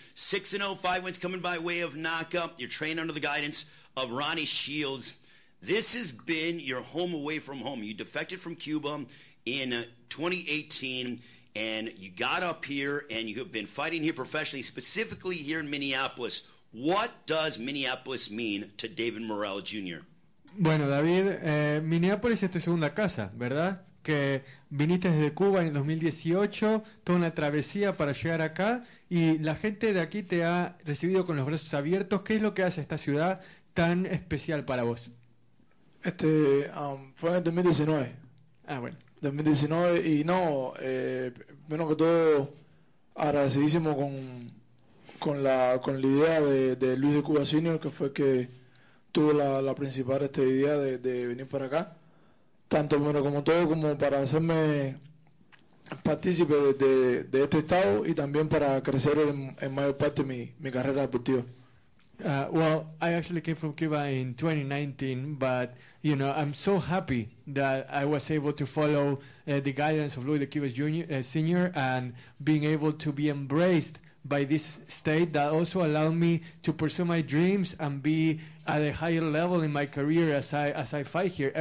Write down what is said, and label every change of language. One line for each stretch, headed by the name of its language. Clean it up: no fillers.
English: 6-0, 5 wins coming by way of knockout. You're trained under the guidance of Ronnie Shields. This has been your home away from home. You defected from Cuba in 2018, and you got up here, and you have been fighting here professionally, specifically here in Minneapolis. What does Minneapolis mean to David Morrell Jr.?
Spanish: Bueno, David, Minneapolis es tu segunda casa, ¿verdad? Que viniste desde Cuba en 2018, toda una travesía para llegar acá, y la gente de aquí te ha recibido con los brazos abiertos. ¿Qué es lo que hace esta ciudad tan especial para vos? Fue en 2019. Ah, bueno. 2019, y no, menos que todo, agradecidísimo con la idea de Luis de Cuba Senior, que fue que tuvo la principal idea de venir para acá, tanto bueno como todo, como para hacerme partícipe de este estado y también para crecer en mayor parte mi carrera deportiva.
English: Well, I actually came from Cuba in 2019, but, you know, I'm so happy that I was able to follow the guidance of Luis de Cuba Senior and being able to be embraced by this state that also allowed me to pursue my dreams and be at a higher level in my career as I fight here.